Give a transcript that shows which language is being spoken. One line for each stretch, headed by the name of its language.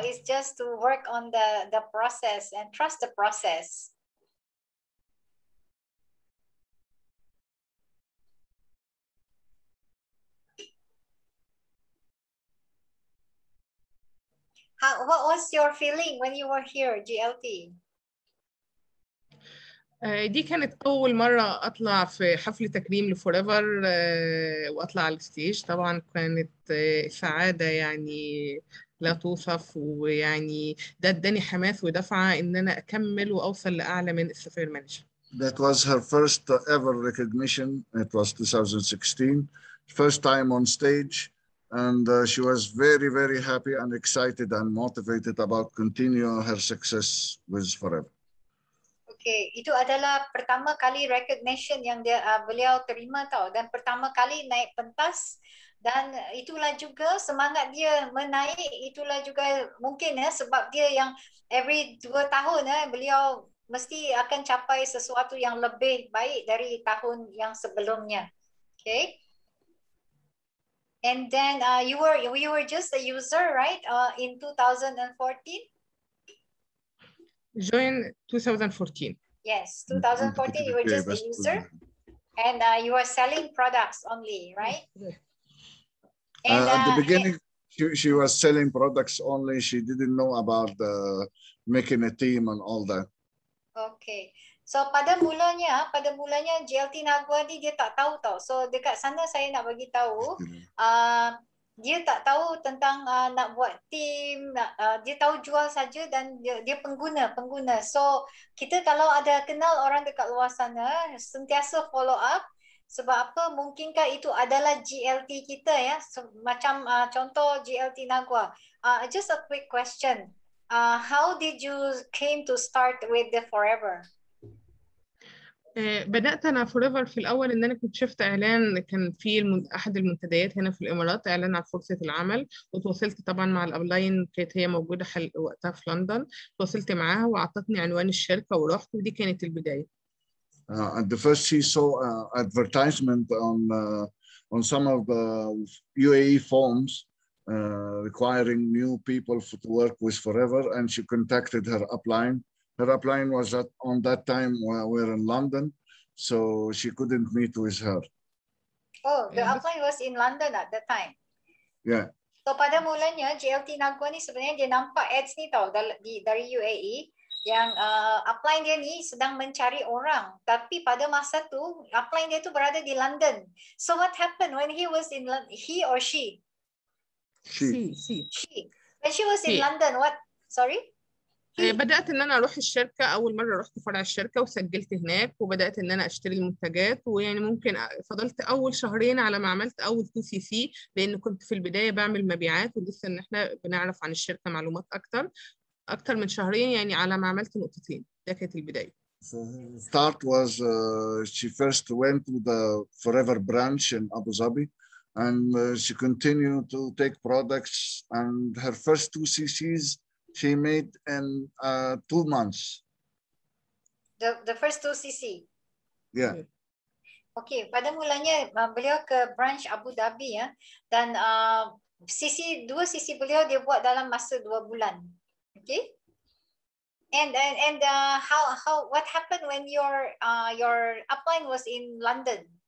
English: It's just to work on the process and trust the process. What was your feeling when you were here, GLT?
Arabic: دي كانت أول مرة أطلع في حفل تكريم لفوريفر وأطلع على الستيج. طبعا كانت سعادة يعني لا توصف، ويعني ده اداني حماس ودفعه ان انا اكمل واوصل لاعلى من السفير مانجر.
English: That was her first ever recognition. It was 2016, first time on stage, and she was very very happy and excited and motivated about continuing her success with Forever.
Malay: Okay, itu adalah pertama kali recognition yang dia beliau terima tau, dan pertama kali naik pentas. Dan itulah juga semangat dia menaik, itulah juga mungkin ya sebab dia yang every 2 tahun ya beliau mesti akan capai sesuatu yang lebih baik dari tahun yang sebelumnya.
English: Okay. And then you were just a user, right? In 2014? Join 2014. Yes, 2014 you were just a user and you were selling products only, right? At the beginning, she was selling products only. She didn't know about making a team and all that.
Malay: Okay. So, pada mulanya GLT Nagwa ni dia tak tahu tau. So, dekat sana saya nak bagi tahu, dia tak tahu tentang nak buat team. Dia tahu jual saja dan dia pengguna. So, kita kalau ada kenal orang dekat luar sana, sentiasa follow up. Sebab apa? Mungkinkah itu adalah GLT kita ya? So, macam contoh GLT Nagwa.
English: Just a quick question. How did you came to start with the Forever?
Arabic: بدأت أنا Forever في الأول إن أنا كنت شفت إعلان كان في أحد المنتديات هنا في الإمارات إعلان على فرصة العمل، وتواصلت طبعا مع الأبلاين، كانت هي موجودة وقتها في لندن، تواصلت معها وعطتني عنوان الشركة ورحت، ودي كانت البداية.
English: And the first she saw advertisement on some of the UAE forms requiring new people to work with Forever, and she contacted her upline. Her upline was on that time while we were in London, so she couldn't meet with her. Oh, the upline was in London at that time. Yeah.
Malay: So pada mulanya GLT Nagwa ni sebenarnya dia nampak ads ni tau dari UAE. Yang upline dia ni sedang mencari orang, tapi pada masa tu upline dia tu berada di London.
English: So what happened when he was in London? He or she? She. When she was in London, what? Sorry.
Arabic: بدأت إن أنا أروح الشركة. أول مرة رحت فرع الشركة وسجلت هناك وبدأت إن أنا أشتري المنتجات، ويعني ممكن فضلت أول شهرين على ما عملت أول 2CC، لأن كنت في البداية بعمل مبيعات ولسه إن إحنا بنعرف عن الشركة معلومات أكتر من شهرين يعني على ما عملت نقطتين. ده كانت البداية.
English: Start was she first went to the Forever branch in Abu Dhabi and she continued to take products and her first 2CCs she made in 2 months. The first 2CC. Yeah. Okay.
Malay: Pada mulanya beliau ke branch Abu Dhabi ya, dan CC 2CC beliau dia buat dalam masa 2 bulan.
English: Okay. And how what happened when your upline was in London?